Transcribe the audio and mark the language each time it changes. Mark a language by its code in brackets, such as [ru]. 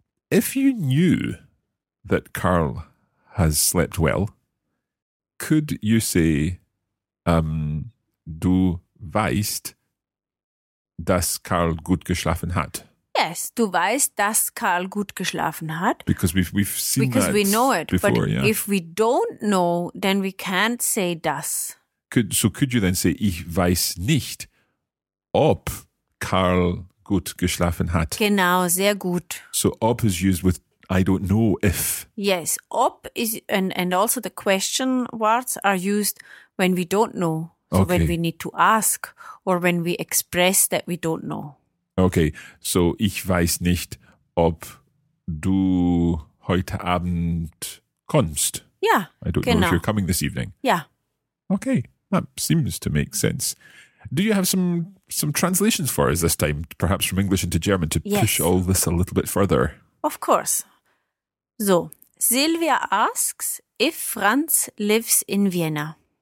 [en] If you knew that Karl has slept well, could you say, [de] du weißt, dass Karl gut geschlafen hat? Yes, du weißt, dass Karl gut geschlafen hat. [en] Because we've seen because that we know it before, but yeah. If we don't know, then we can't say das. Could you then say, [de] ich weiß nicht, ob Karl gut geschlafen hat? Genau, sehr gut. [en] So ob is used with I don't know if. Yes, ob is, and also the question words are used when we don't know. So okay. When we need to ask or when we express that we don't know. Okay, so [de] ich weiß nicht, ob du heute Abend kommst. [en] Yeah, I don't know if you're coming this evening. Yeah. Okay, that seems to make sense. Do you have some translations for us this time, perhaps from English into German, to push all this a little bit further? Of course. So, Silvia asks if Franz lives in Vienna.